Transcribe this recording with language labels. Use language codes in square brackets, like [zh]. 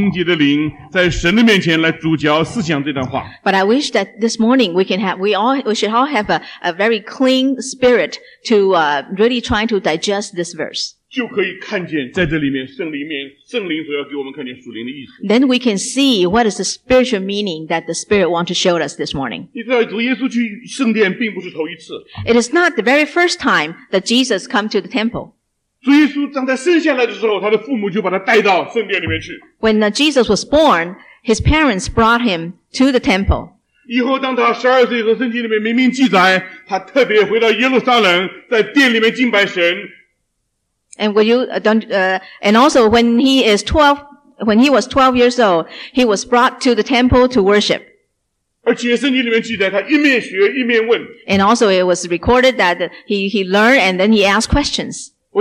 [zh] 那弟兄这边今天早上我求大家用一种清洁的灵在神的面前来主嚼思想这段话。 [en] But I wish that this morning we should all have a very clean spirit to really try to digest this verse. [zh] 就可以看见在这里面圣灵所要给我们看见属灵的意思。 [en] Then we can see what is the spiritual meaning that the Spirit wants to show us this morning. [zh] 你知道主耶稣去圣殿并不是头一次。 [en] It is not the very first time that Jesus come to the temple. [zh] 主耶稣当他生下来的时候他的父母就把他带到圣殿里面去。 [en] When Jesus was born, his parents brought him to the temple. [zh] 以后当他12岁的圣经里面明明记载他特别回到耶路撒冷在殿里面敬拜神。 [en] And also when he was 12 years old, he was brought to the temple to worship. [zh] 而且圣经里面记载他一面学一面问。 [en] And also it was recorded that he learned and then he asked questions.